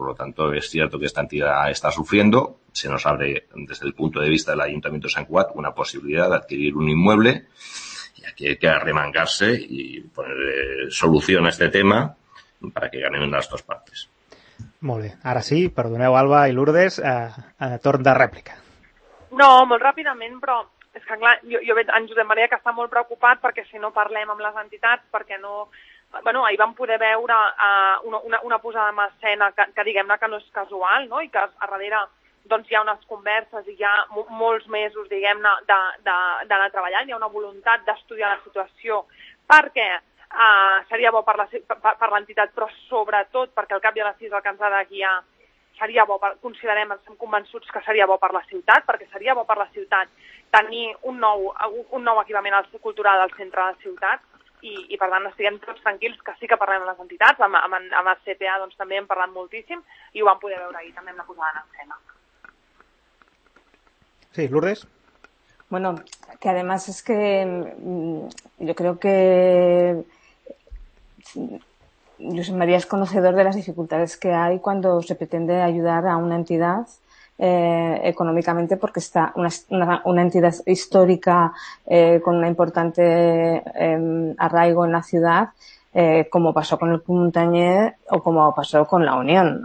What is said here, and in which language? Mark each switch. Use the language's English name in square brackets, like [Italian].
[Spanish] Por lo tanto, es cierto que esta entidad está sufriendo. Se nos abre, desde el punto de vista del Ayuntamiento de San Cugat, una posibilidad de adquirir un inmueble, y aquí hay que arremangarse y poner solución a este tema para que ganen las dos partes. [Catalan] Molt bé, ara sí, perdoneu, Alba i Lourdes, torn de rèplica. No, molt ràpidament, però és que clar, jo veig en Josep Maria que està molt preocupat, perquè si no parlem amb les entitats, perquè no... Bueno, ahir vam poder veure una posada en escena que diguem-ne que no és casual, no? I que a darrere doncs, hi ha unes converses i hi ha molts mesos, diguem-ne, d'anar treballant, hi ha una voluntat d'estudiar la situació, perquè... seria bo per l'entitat, però sobretot perquè al cap i a la fi és el que ens ha de guiar, seria bo, estem convençuts que seria bo per la ciutat, perquè seria bo per la ciutat tenir un nou equipament cultural al centre de la ciutat, i per tant estiguem tots tranquils que sí que parlem amb les entitats, amb el CPA doncs, també hem parlat moltíssim, i ho vam poder veure ahir també amb la posada en escena. Sí, Lourdes? [Spanish] Bueno, que además es que yo creo que José María es conocedor de las dificultades que hay cuando se pretende ayudar a una entidad Económicamente, porque está una entidad histórica con un importante arraigo en la ciudad, como pasó con el Puntañer o como pasó con la Unión.